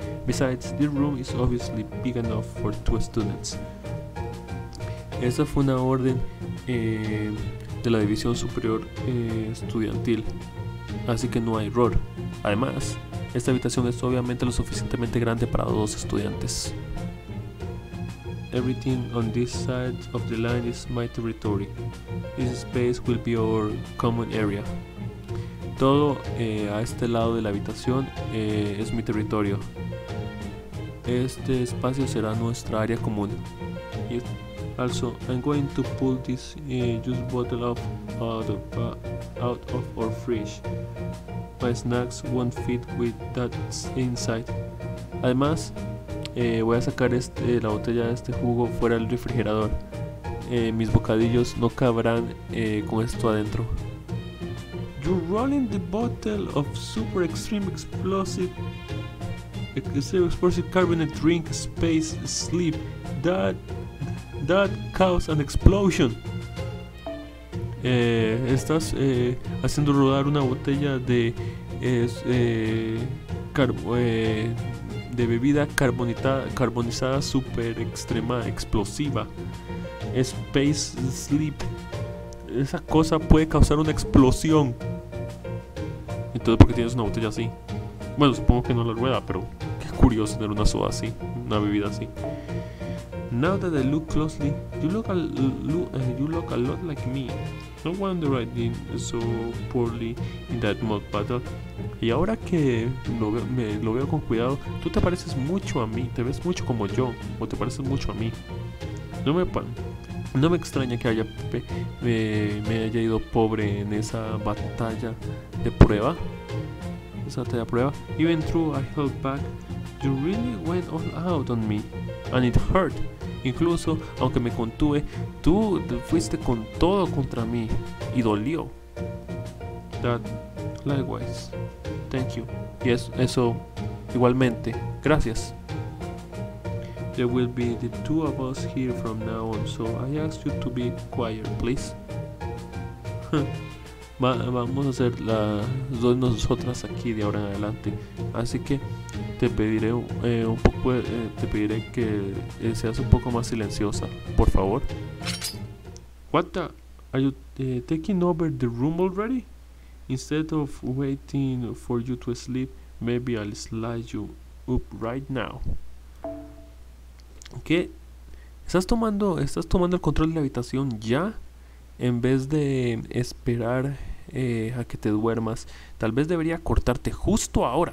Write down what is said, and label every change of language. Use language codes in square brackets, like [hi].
[en] Besides, this room is obviously big enough for two students. [es] Esa fue una orden de la división superior estudiantil, así que no hay error. Además, esta habitación es obviamente lo suficientemente grande para dos estudiantes. [en] Everything on this side of the line is my territory. This space will be our common area. [es] Todo a este lado de la habitación es mi territorio. Este espacio será nuestra área común. [en] Yes. Also, I'm going to pull this juice bottle out of our fridge. My snacks won't fit with that inside. [es] Además, voy a sacar la botella de este jugo fuera del refrigerador. Mis bocadillos no cabrán con esto adentro. [en] You're rolling the bottle of super extreme explosive. Extreme explosive carbonate drink space sleep. That caused an explosion. [es] Estás haciendo rodar una botella de. De bebida carbonizada super extrema explosiva. Space sleep. Esa cosa puede causar una explosión. Entonces, ¿por qué tienes una botella así? Bueno, supongo que no la rueda, pero qué curioso tener una soda así, una bebida así. [en] Now that I look closely, you look a lot like me. No wonder I did so poorly in that mock battle. [es] Y ahora que lo veo con cuidado, tú te pareces mucho a mí, te ves mucho como yo, o te pareces mucho a mí. No me extraña que me haya ido pobre en esa batalla de prueba. [en] Even through, I held back. You really went all out on me, and it hurt. [es] Incluso, aunque me contuve, tú fuiste con todo contra mí y dolió. [en] That, likewise. Thank you. [es] Y eso, igualmente. Gracias. [en] There will be the two of us here from now on, so I ask you to be quiet, please. [es] Vamos a hacer las dos nosotras aquí de ahora en adelante. Así que te pediré que seas un poco más silenciosa, por favor. [en] What the? Are you taking over the room already? Instead of waiting for you to sleep, maybe I'll slide you up right now. [es] ¿Qué? ¿Estás tomando el control de la habitación ya? En vez de esperar a que te duermas, tal vez debería cortarte justo ahora.